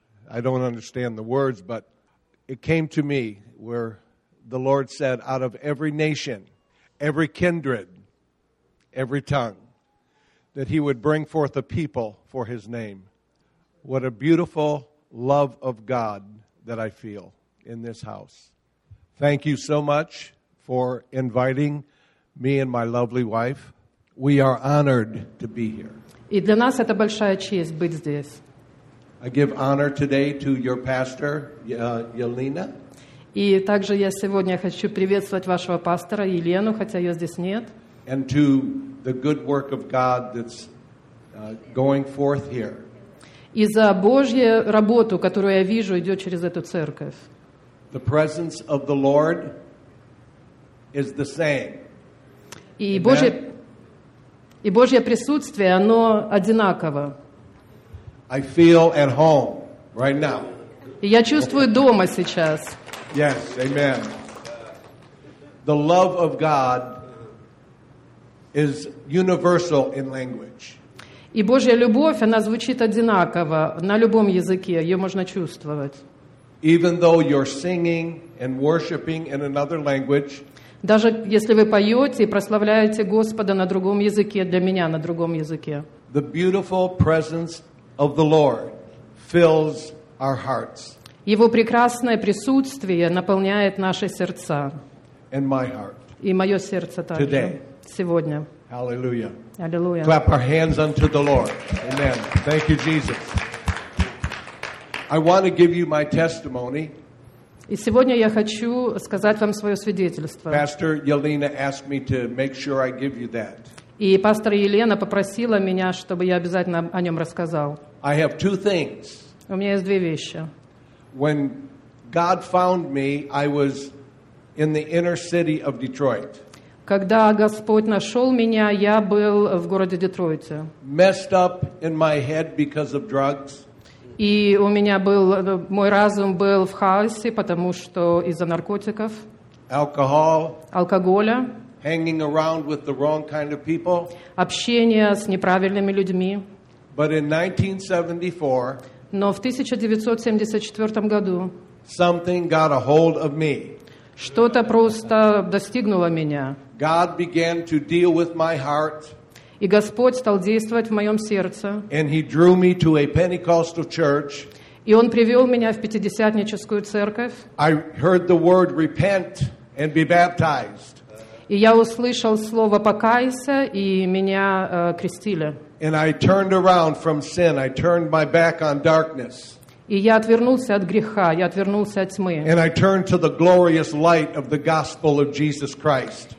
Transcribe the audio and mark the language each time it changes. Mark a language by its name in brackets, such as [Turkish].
[English] I don't understand the words, but it came to me where the Lord said, out of every nation, every kindred, every tongue, that he would bring forth a people for his name. What a beautiful love of God that I feel in this house. Thank you so much for inviting me and my lovely wife. We are honored to be here. [Russian] И для нас это большая честь быть здесь. [English] I give honor today to your pastor, Yelena. [Russian] И также я сегодня хочу приветствовать вашего пастора Елену, хотя ее здесь нет. [English] And to the good work of God that's going forth here. [Russian] И за Божью работу, которую я вижу, идет через эту церковь. [English] The presence of the Lord is the same. [Russian] И Божье присутствие, оно одинаково. [English] I feel at home right now. [Russian] И я чувствую дома сейчас. [English] Yes, amen. The love of God is universal in language. [Russian] И Божья любовь, она звучит одинаково на любом языке, ее можно чувствовать. [English] Even though you're singing and worshiping in another language, [Russian] даже если вы поете и прославляете Господа на другом языке, для меня на другом языке, [English] the beautiful presence of the Lord fills our hearts. [Russian] Его прекрасное присутствие наполняет наши сердца. [English] And my heart. [Russian] И мое сердце также. [English] Today. [Russian] Сегодня. [English] Hallelujah. Hallelujah. Clap our hands unto the Lord. Amen. Thank you, Jesus. I want to give you my testimony. [Russian] И сегодня я хочу сказать вам свое свидетельство. [English] Pastor Yelena asked me to make sure I give you that. [Russian] И пастор Елена попросила меня, чтобы я обязательно о нем рассказал. [English] I have two things. [Russian] У меня есть две вещи. [English] When God found me, I was in the inner city of Detroit. [Russian] Когда Господь нашел меня, я был в городе Детройте. [English] Messed up in my head because of drugs. [Russian] И у меня был, мой разум был в хаосе, потому что из-за наркотиков, [English] alcohol, [Russian] алкоголя, [English] hanging around with the wrong kind of people, [Russian] общение с неправильными людьми. [English] But in 1974, [Russian] но в 1974 году [English] something got a hold of me. [Russian] Что-то просто достигнуло меня. [English] God began to deal with my heart. [Russian] И Господь стал действовать в моем сердце. [English] And he drew me to a Pentecostal church. [Russian] И Он привел меня в Пятидесятническую церковь. [English] I heard the word repent and be baptized. [Russian] И я услышал слово «покайся», и меня крестили. [English] And I turned around from sin. I turned my back on darkness. [Russian] И я отвернулся от греха, я отвернулся от тьмы. [English] And I turned to the glorious light of the gospel of Jesus Christ.